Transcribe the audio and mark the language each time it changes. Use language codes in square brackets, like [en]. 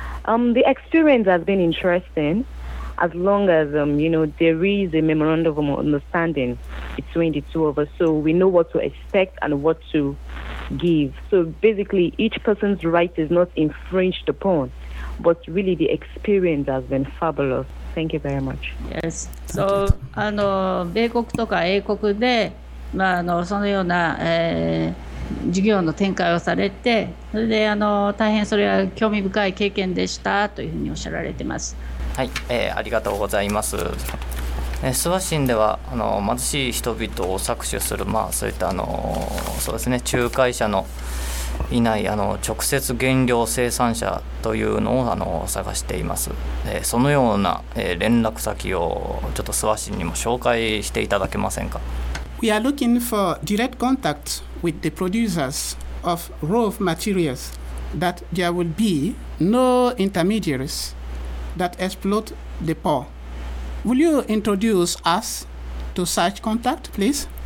[en] The experience has been interesting, as long as, you know, there is a memorandum of understanding between the two of us, so we know what to expect and what to give. So basically, each person's right is not infringed upon, but really the experience has been fabulous. Thank you very much. Yes. [ja] So, あの米国とか英国で、まあ、あのそのような、事業の展開をされて、それであの大変それは興味深い経験でしたというふうにおっしゃられてます。はい、ありがとうございます。諏訪神ではあの貧しい人々を搾取する、まあ、そういったあのそうですね、仲介者のいないあの直接原料生産者というのをあの探しています。そのような、連絡先をちょっと諏訪神にも紹介していただけませんか。 [en] We are looking for direct contact with the producers of raw materials that there will be no intermediaries that exploit the poor. Will you introduce us to such contact, please?